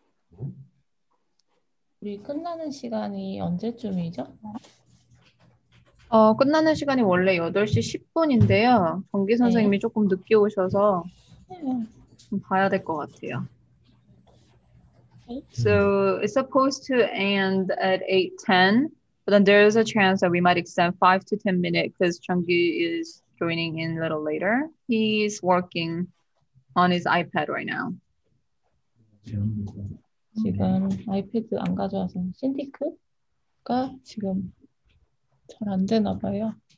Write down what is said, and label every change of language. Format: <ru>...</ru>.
<ko>Hmm? 우리 끝나는 시간이 언제쯤이죠? 끝나는 시간이 원래 8시 10분인데요. 정기 선생님이 네. 조금 늦게 오셔서 좀 봐야 될 것 같아요.</ko> <en>So it's supposed to end at 8:10, but then there is a chance that we might extend 5 to 10 minutes because Chunggyu is joining in a little later. He's working on his iPad right now.</en> <ko>지금 아이패드 안 가져와서 신디크가 지금 잘 안 되나 봐요.</ko>